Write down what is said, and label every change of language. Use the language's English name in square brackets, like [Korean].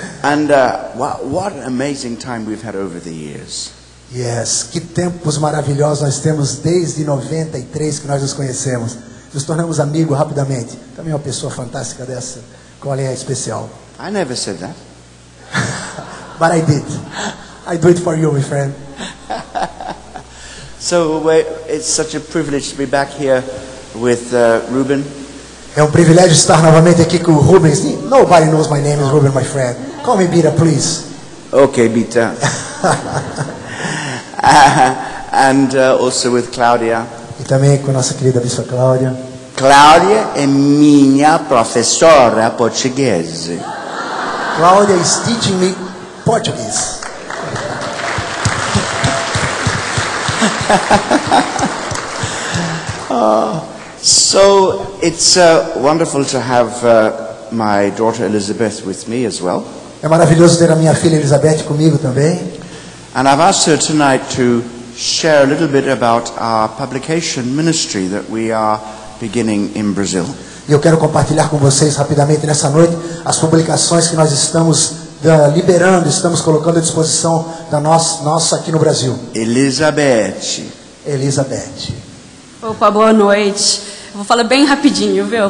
[English] And what an amazing time we've had over the years. [Portuguese] Yes, que tempos maravilhosos nós temos desde 93 que nós nos conhecemos. Nos tornamos amigos rapidamente. Também uma pessoa fantástica dessa. Qual é a especial? [English] I never said that. But I did. I do it for you, my friend. So it's such a privilege to be back here with Ruben. [Portuguese] É um privilégio estar novamente aqui com o Rubens. [English] Nobody knows my name is Ruben, my friend. Call me Bita, please. Okay, Bita. And also with Claudia. [Portuguese] E também com nossa querida bispa Claudia. Claudia é minha professora portuguesa. [English] Claudia is teaching me Portuguese. So it's wonderful to have my daughter Elizabeth with me as well. [Portuguese] É maravilhoso ter a minha filha Elizabeth comigo também. [English] And I've asked her tonight to share a little bit about our publication ministry that we are beginning in Brazil. [Portuguese] E eu quero compartilhar com vocês rapidamente nessa noite as publicações que nós estamos liberando, estamos colocando à disposição da nossa aqui no Brasil. Elizabeth. Elizabeth. Opa, boa noite. Vou falar bem rapidinho, viu?